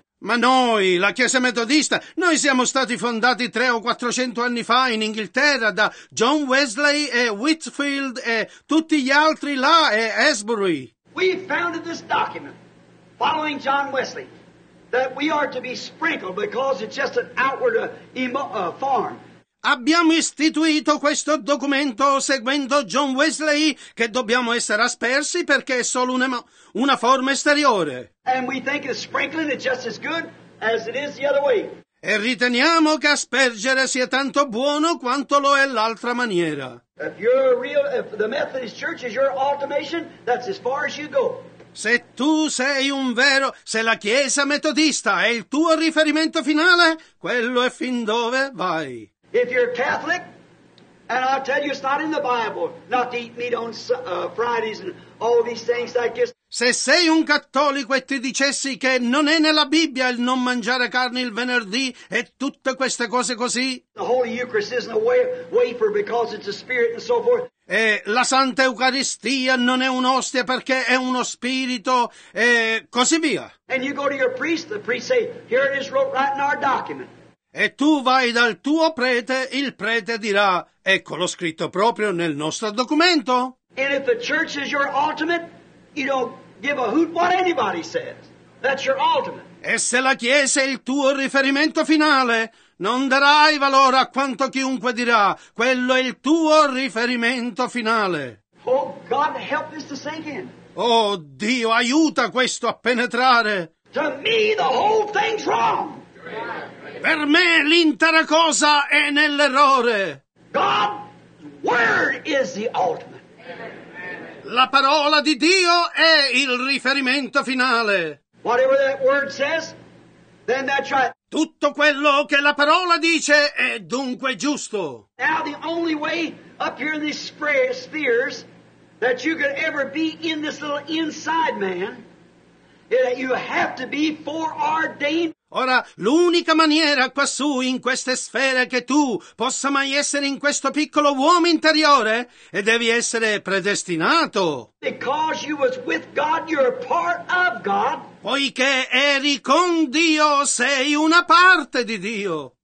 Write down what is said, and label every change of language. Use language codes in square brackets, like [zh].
[it] Ma noi, la Chiesa metodista, noi siamo stati fondati 300 o 400 anni fa in Inghilterra da John Wesley e Whitfield e tutti gli altri là e Asbury. [en] We founded this document following John Wesley that we are to be sprinkled because it's just an outward form. [it] Abbiamo istituito questo documento seguendo John Wesley che dobbiamo essere aspersi perché è solo una forma esteriore. [en] And we think that sprinkling is just as good as it is the other way. [it] E riteniamo che aspergere sia tanto buono quanto lo è l'altra maniera. [en] If the Methodist Church is your ultimation, that's as far as you go. [it] Se tu sei un vero, se la Chiesa metodista è il tuo riferimento finale, quello è fin dove vai. [en] If you're Catholic, and I'll tell you it's not in the Bible, not to eat meat on Fridays and all these things like this. [it] Se sei un cattolico e ti dicessi che non è nella Bibbia il non mangiare carne il venerdì e tutte queste cose così. [en] The Holy Eucharist isn't a wafer because it's a spirit and so forth. [it] E la Santa Eucaristia non è un'ostia perché è uno spirito e così via. [en] And you go to your priest, the priest say, here it is wrote right in our document. [it] E tu vai dal tuo prete, il prete dirà, eccolo scritto proprio nel nostro documento. [en] And if the church is your ultimate, you don't give a hoot what anybody says. That's your ultimate. [it] E se la Chiesa è il tuo riferimento finale, non darai valore a quanto chiunque dirà. Quello è il tuo riferimento finale. [en] Oh, God, help this to sink in. [it] Oh, Dio, aiuta questo a penetrare. [en] To me, the whole thing's wrong. [it] Per me, l'intera cosa è nell'errore. [en] God's word is the ultimate. [it] La parola di Dio è il riferimento finale. [en] Whatever that word says, then that's right. [it] Tutto quello che la parola dice è dunque giusto. [en] Now the only way up here in these spheres that you could ever be in this little inside man is that you have to be foreordained. [it] Ora, l'unica maniera quassù, in queste sfere, che tu possa mai essere in questo piccolo uomo interiore, e devi essere predestinato. [en] Because you was with God, you're a part of God. [it] Poiché eri con Dio, sei una parte di Dio.